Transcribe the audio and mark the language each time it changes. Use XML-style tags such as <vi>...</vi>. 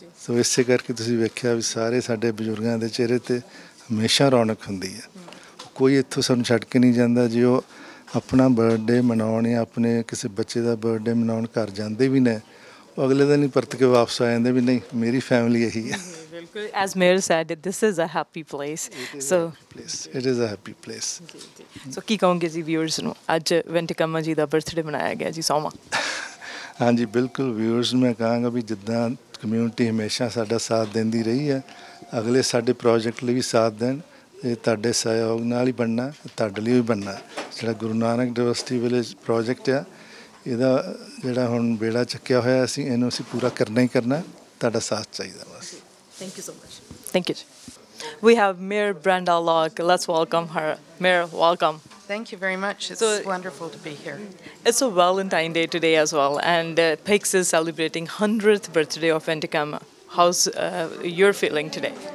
<pa>ਸੋ ਇਸੇ ਕਰਕੇ ਤੁਸੀਂ ਵੇਖਿਆ ਵੀ ਸਾਰੇ ਸਾਡੇ ਬਜ਼ੁਰਗਾਂ ਦੇ ਚਿਹਰੇ 'ਤੇ ਹਮੇਸ਼ਾ ਰੌਣਕ ਹੁੰਦੀ ਹੈ, ਕੋਈ ਇੱਥੋਂ ਸਾਨੂੰ ਛੱਡ ਕੇ ਨਹੀਂ ਜਾਂਦਾ। ਜੇ ਉਹ ਆਪਣਾ ਬਰਥਡੇ ਮਨਾਉਣ ਜਾਂ ਆਪਣੇ ਕਿਸੇ ਬੱਚੇ ਦਾ ਬਰਥਡੇ ਮਨਾਉਣ ਘਰ ਜਾਂਦੇ ਵੀ ਨੇ, ਉਹ ਅਗਲੇ ਦਿਨ ਹੀ ਪਰਤ ਕੇ ਵਾਪਸ ਆ ਜਾਂਦੇ ਵੀ ਨਹੀਂ, ਮੇਰੀ ਫੈਮਿਲੀ ਇਹੀ ਹੈ।</pa> <en>As Mayor said, this is a happy place. It is a happy place.</en> <pa>So, ਕੀ ਕਹੋਗੇ ਜੀ ਵਿਊਅਰਸ ਨੂੰ, ਅੱਜ ਵੈਂਟਿਕਮਾ ਜੀ ਦਾ ਬਰਥਡੇ ਮਨਾਇਆ ਗਿਆ ਜੀ 100ਵਾਂ? ਹਾਂਜੀ ਬਿਲਕੁਲ, ਵਿਊਅਰਸ ਨੂੰ ਮੈਂ ਕਹਾਂਗਾ ਵੀ ਜਿੱਦਾਂ ਕਮਿਊਨਿਟੀ ਹਮੇਸ਼ਾ ਸਾਡਾ ਸਾਥ ਦਿੰਦੀ ਰਹੀ ਹੈ, ਅਗਲੇ ਸਾਡੇ ਪ੍ਰੋਜੈਕਟ ਲਈ ਵੀ ਸਾਥ ਦੇਣ, ਇਹ ਤੁਹਾਡੇ ਸਹਿਯੋਗ ਨਾਲ ਹੀ ਬਣਨਾ, ਤੁਹਾਡੇ ਲਈ ਵੀ ਬਣਨਾ, ਜਿਹੜਾ ਗੁਰੂ ਨਾਨਕ ਡਿਵਰਸਿਟੀ ਵਿਲੇਜ ਪ੍ਰੋਜੈਕਟ ਆ, ਇਹਦਾ ਜਿਹੜਾ ਹੁਣ ਬੇੜਾ ਚੱਕਿਆ ਹੋਇਆ, ਅਸੀਂ ਇਹਨੂੰ ਅਸੀਂ ਪੂਰਾ ਕਰਨਾ ਹੀ ਕਰਨਾ, ਤੁਹਾਡਾ ਸਾਥ ਚਾਹੀਦਾ ਬਸ।</pa> <en>Thank you so much. Thank you. We have Mayor Brenda Locke. Let's welcome her. Mayor, welcome. Thank you very much. It's wonderful to be here. It's a Valentine's Day today as well, and Pics is celebrating 100th birthday of Entikam. How's your feeling today?</en>